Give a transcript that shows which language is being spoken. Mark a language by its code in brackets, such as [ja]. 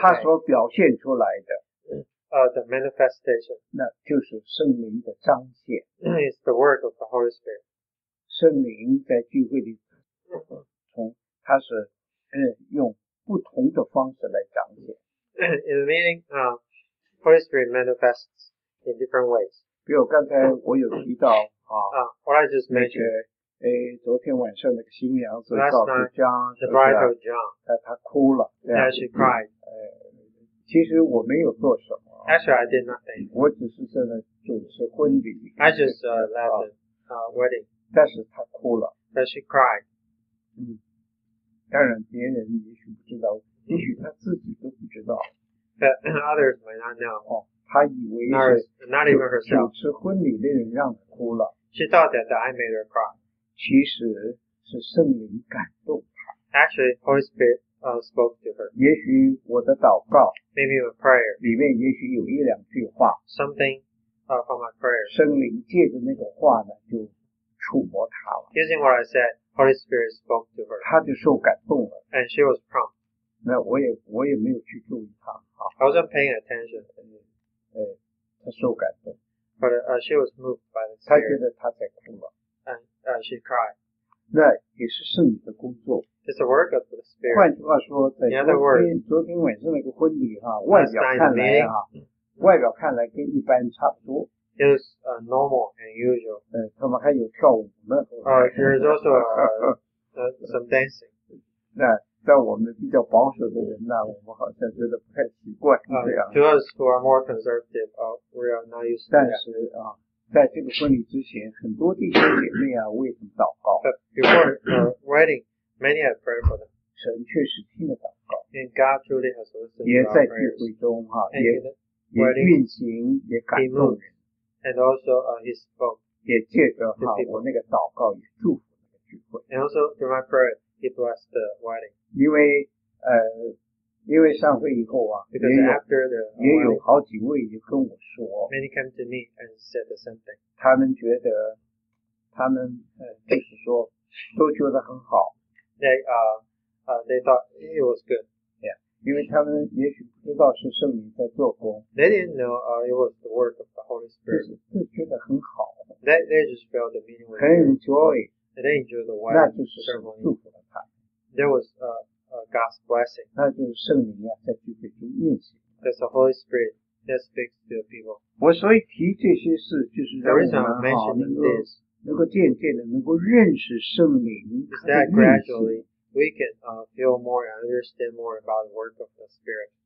[zh] 他所表现出来的。 [en] The manifestation. [zh] 那就是圣灵的彰显。 [en] It's the work of the Holy Spirit. [zh] 圣灵在聚会里从他是用不同的方式来彰显。 [en] In the meeting, Holy Spirit manifests in different ways. [zh] 比如刚才我有提到啊 [en] what I just mentioned. [zh] 昨天晚上那个新娘子告诉 [en] John, the bride of John. [zh] 她哭了。 [en] Yeah, she cried. [zh] 其实我没有做什么。 [en] Actually, I did nothing. [zh] 我只是在那主持婚礼。 [en] I just left the wedding. [zh] 但是她哭了。 [en] But she cried. [zh] 当然别人也许不知道，也许她自己都不知道。 [en] But others might not know. [zh] 她以为是 [en] not even herself. [zh] 主持婚礼的人让她哭了。 [en] She thought that I made her cry. [zh] 其实是圣灵感动她。 [en] Actually, Holy Spirit spoke to her. [zh] 也许我的祷告 [en] Maybe a prayer. [zh] 里面也许有一两句话 [en] Something from a prayer. [zh] 圣灵借着那个话呢就触摸她了 [en] Using what I said, Holy Spirit spoke to her. [zh] 她就受感动了 [en] And she was prompt. [zh] 那我也没有去注意她 [en] I wasn't paying attention. [zh] 她受感动 [en] But she was moved by the Spirit. [zh] 她觉得她在哭了 [en] And she cried. [zh] 那也是圣灵的工作 [en] It's the work of the Spirit. [zh] 换句话说，在昨天晚上那个婚礼哈，外表看来哈，外表看来跟一般差不多。 [en] It's normal and usual. [zh] 他们还有跳舞呢。 [en] There's also some dancing. [zh] 那在我们比较保守的人呢，我们好像觉得不太习惯这样。 [en] To us who are more conservative, we are not used to that. [zh] 但是啊，在这个婚礼之前，很多弟兄姐妹啊为他们祷告。 [en] Before the wedding. Many have prayed for them. [zh] 神确实听了祷告。 [en] And God truly has listened to our prayers. [zh] 也在聚会中哈，也运行，也感动人。 [en] And also, He spoke. [zh] 也借着哈，我那个祷告也祝福了聚会。 [en] And also through my prayer, He blessed the wedding. [zh] 因为上会以后啊， [en] Because after the wedding, [zh] 也有好几位也跟我说。 [en] Many came to me and said the same thing. [zh] 他们觉得，他们就是说，都觉得很好。 [en] They thought it was good. Yeah. [zh] 因为他们也许不知道是圣灵在做工。 [en] They didn't know, it was the work of the Holy Spirit. [zh] 就觉得很好。 [en] They just felt the meaning was good. 很 enjoy. And they enjoyed the wedding. [zh] 那就是圣灵祝福了他。 [en] There was, God's blessing. [zh] 那就是圣灵啊在聚会中运行。 [en] That's the Holy Spirit that speaks to the people. [zh] 我所以提这些事就是让我们好能够能够渐渐的能够认识圣灵 [en] ，Is that gradually we can feel more and understand more about the work of the Spirit?